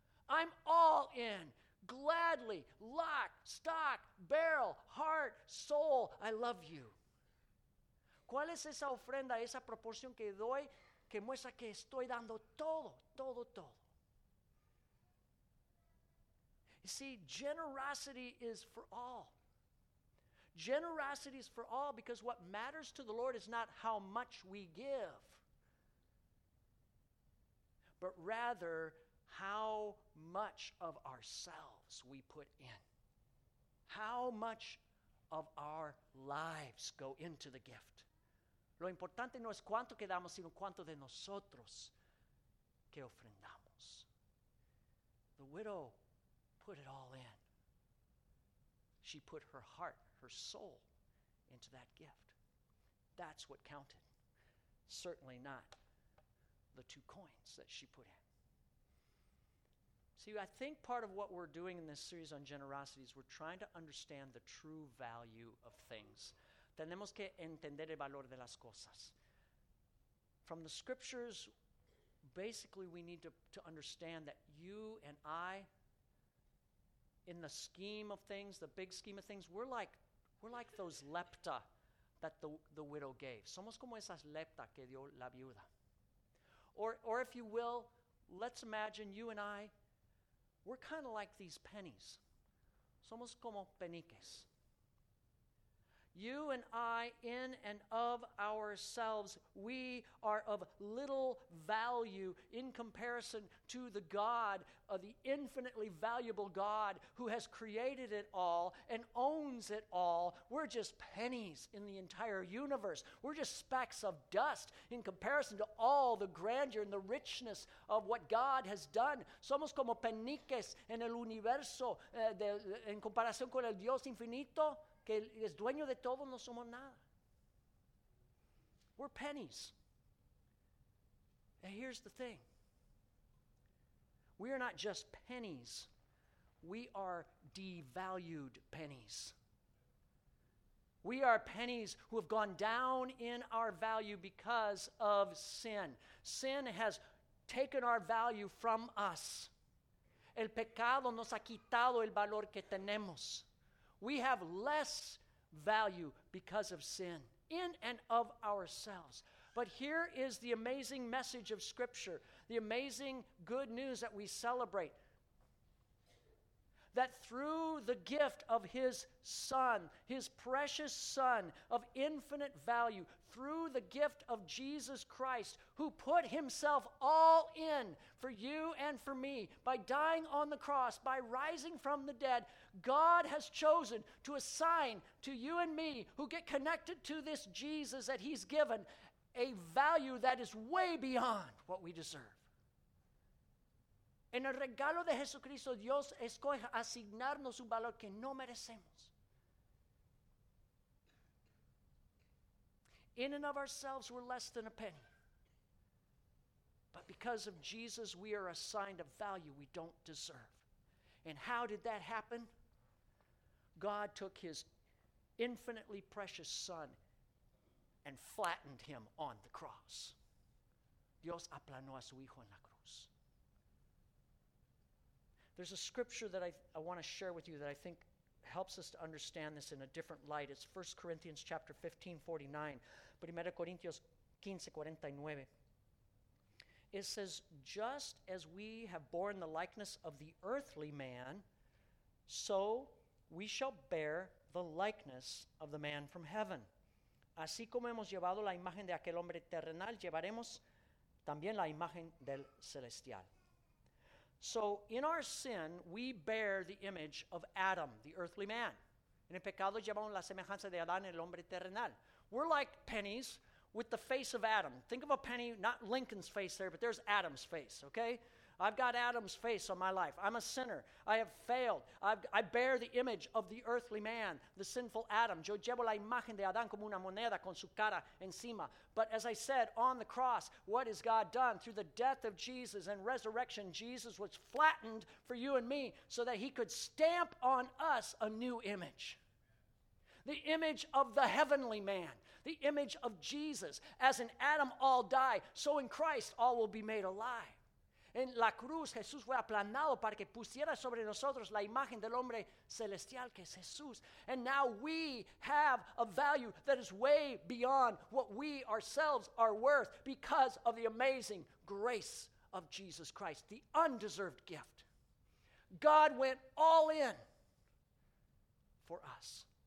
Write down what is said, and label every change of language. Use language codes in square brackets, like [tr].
[en] I'm all in, gladly, lock, stock, barrel, heart, soul, I love you. [es] ¿Cuál es esa ofrenda, esa proporción que doy, que muestra que estoy dando todo, todo, todo? [en] You see, generosity is for all. Generosity is for all because what matters to the Lord is not how much we give, but rather how much of ourselves we put in. How much of our lives go into the gift. [es] Lo importante no es cuánto que damos, sino cuánto de nosotros que ofrendamos. [en] The widow put it all in. She put her heart, her soul into that gift. That's what counted. Certainly not the 2 coins that she put in. See, I think part of what we're doing in this series on generosity is we're trying to understand the true value of things. [es] Tenemos que entender el valor de las cosas. [en] From the scriptures, basically we need to understand that you and I, in the scheme of things, the big scheme of things, we're like those lepta that the widow gave. [es] Somos como esas lepta que dio la viuda. [en] Or if you will, let's imagine you and I, we're kind of like these pennies. [es] Somos como peniques. [en] You and I, in and of ourselves, we are of little value in comparison to the God, the infinitely valuable God who has created it all and owns it all. We're just pennies in the entire universe. We're just specks of dust in comparison to all the grandeur and the richness of what God has done. [es] Somos como peniques en el universo en comparación con el Dios infinito. Que es dueño de todo, no somos nada. [en] We're pennies. And here's the thing. We are not just pennies. We are devalued pennies. We are pennies who have gone down in our value because of sin. Sin has taken our value from us. [es] El pecado nos ha quitado el valor que tenemos. [en] We have less value because of sin in and of ourselves. But here is the amazing message of Scripture, the amazing good news that we celebrate. That through the gift of His Son, His precious Son of infinite value, through the gift of Jesus Christ, who put Himself all in for you and for me, by dying on the cross, by rising from the dead, God has chosen to assign to you and me, who get connected to this Jesus that He's given, a value that is way beyond what we deserve. [es] En el regalo de Jesucristo, Dios escoge asignarnos un valor que no merecemos. [en] In and of ourselves, we're less than a penny. But because of Jesus, we are assigned a value we don't deserve. And how did that happen? God took His infinitely precious Son and flattened Him on the cross. [es] Dios aplanó a su Hijo en la cruz. [en] There's a scripture that I want to share with you that I think helps us to understand this in a different light. It's 1 Corinthians chapter 15, 49. 1 Corinthians 15, 49. It says, just as we have borne the likeness of the earthly man, so we shall bear the likeness of the man from heaven. [es] Así como hemos llevado la imagen de aquel hombre terrenal, llevaremos también la imagen del celestial. [en] So in our sin, we bear the image of Adam, the earthly man. [es] En el pecado llevamos la semejanza de Adán, el hombre terrenal. [en] We're like pennies with the face of Adam. Think of a penny, not Lincoln's face there, but there's Adam's face, okay? I've got Adam's face on my life. I'm a sinner. I have failed. I bear the image of the earthly man, the sinful Adam. [es] Yo llevo la imagen de Adán como una moneda con su cara encima. [en] But as I said, on the cross, what has God done? Through the death of Jesus and resurrection, Jesus was flattened for you and me so that he could stamp on us a new image. The image of the heavenly man. The image of Jesus. As in Adam all die, so in Christ all will be made alive. [es] En la cruz, Jesús fue aplanado para que pusiera sobre nosotros la imagen del hombre celestial que es Jesús. [en] And now we have a value that is way beyond what we ourselves are worth because of the amazing grace of Jesus Christ, the undeserved gift. God went all in for us.